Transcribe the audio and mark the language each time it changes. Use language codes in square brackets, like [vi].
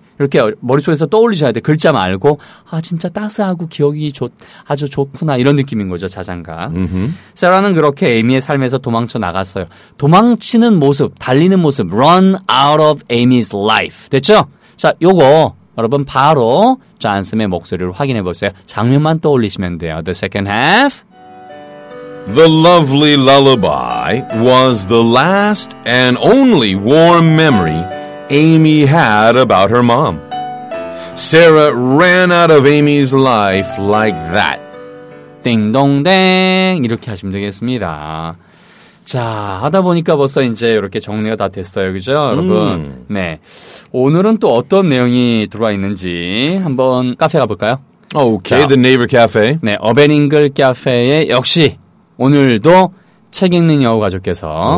[ko] 이렇게 머릿속에서 떠올리셔야 돼. 글자 말고 아 진짜 따스하고 기억이 아주 좋구나 이런 느낌인 거죠. 자장가. 세라는 그렇게 에미의 삶에서 도망쳐 나갔어요. 도망치는 모습, 달리는 모습. [en] Run out of Amy's life. [ko] 됐죠? 자, 요거 여러분 바로 존슨의 목소리를 확인해 보세요. 장면만 떠올리시면 돼요. [en] The second half. The lovely lullaby was the last and only warm memory Amy had about her mom. Sarah ran out of Amy's life like that. [ko] 띵동댕 이렇게 하시면 되겠습니다. 자, 하다 보니까 벌써 이제 이렇게 정리가 다 됐어요. 그죠, 여러분? 네. 오늘은 또 어떤 내용이 들어와 있는지 한번 카페 가볼까요? [en] Okay, 자, the neighbor cafe. [ko] 네, 어벤잉글 카페에 역시 오늘도 책 읽는 여우 가족께서